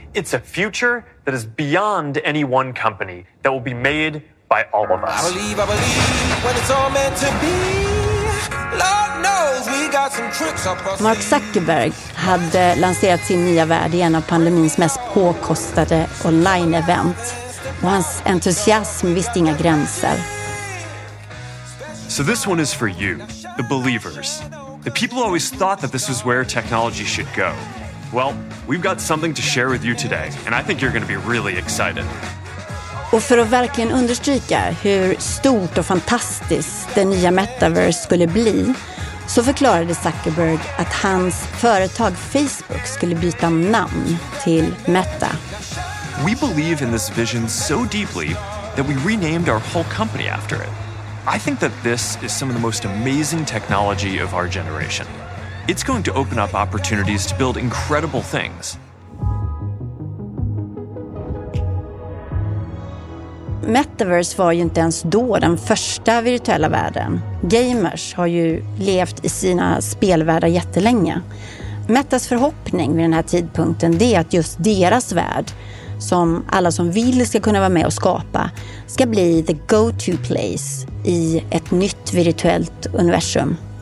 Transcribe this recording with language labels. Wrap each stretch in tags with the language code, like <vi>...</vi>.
<en>It's a future that is beyond any one company, that will be made by all of us. I believe when it's all meant to be. Lord knows we got some tricks up our</en> <sv>Mark Zuckerberg hade lanserat sin nya värld i en av pandemins mest påkostade online-event. Och hans entusiasm visste inga gränser.</sv> <en>So this one is for you, the believers. The people always thought that this was where technology should go. Well, we've got something to share with you today, and I think you're going to be really excited.</en> <sv>Och för att verkligen understryka hur stort och fantastiskt det nya Metaverse skulle bli, så förklarade Zuckerberg att hans företag Facebook skulle byta namn till Meta.</sv> <en>We believe in this vision so deeply that we renamed our whole company after it. I think that this is some of the most amazing technology of our generation. It's going to open up opportunities to build incredible things.</en> <sv>Metaverse var ju inte ens då den första virtuella världen. Gamers har ju levt i sina spelvärldar jättelänge. Metas förhoppning vid den här tidpunkten är att just deras värld, som alla som vill ska kunna vara med och skapa, ska bli the go-to place i ett nytt virtuellt universum.</sv>